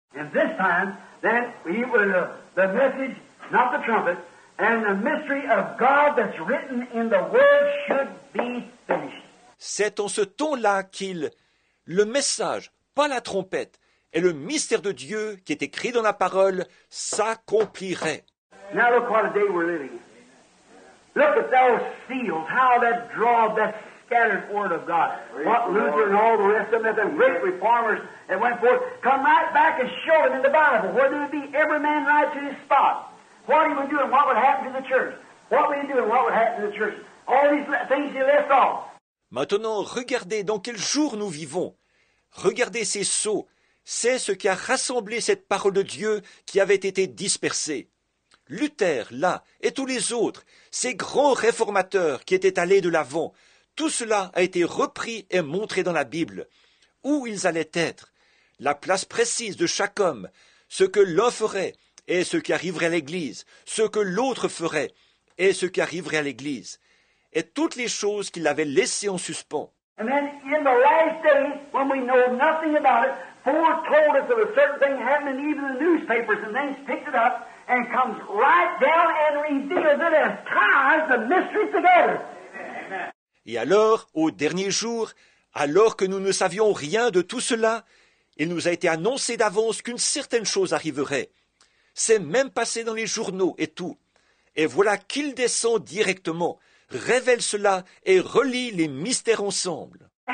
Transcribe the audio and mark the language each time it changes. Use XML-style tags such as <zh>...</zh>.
<en>And this time, then, he will, the message, not the trumpet, and the mystery of God that's written in the word should be finished.</en> <fr>C'est en ce temps-là qu'il, le message, pas la trompette, et le mystère de Dieu qui est écrit dans la parole s'accomplirait.</fr> <en>Now look what a day we're living in. Look at those seals, how that draw that scattered word of God. What Luther and all the rest of them, the great reformers that went forth, come right back and show them in the Bible. Where there would be every man right to his spot. What he would do and what would happen to the church. What would he do and what would happen to the church. All these things he left off.</en> <fr>Maintenant, regardez dans quel jour nous vivons. Regardez ces sceaux. C'est ce qui a rassemblé cette parole de Dieu qui avait été dispersée. Luther, là, et tous les autres, ces grands réformateurs qui étaient allés de l'avant, tout cela a été repris et montré dans la Bible. Où ils allaient être, la place précise de chaque homme, ce que l'un ferait et ce qui arriverait à l'Église, ce que l'autre ferait et ce qui arriverait à l'Église, et toutes les choses qu'il avait laissées en suspens.</fr> <en>And then in the last day, when we know nothing about it, foretold us of a certain thing happening, even in the newspapers, and then picked it up and comes right down and reveals it and ties the mystery together.</en> <fr>Et alors, au dernier jour, alors que nous ne savions rien de tout cela, il nous a été annoncé d'avance qu'une certaine chose arriverait. C'est même passé dans les journaux et tout. Et voilà qu'il descend directement, révèle cela et relie les mystères ensemble.</fr>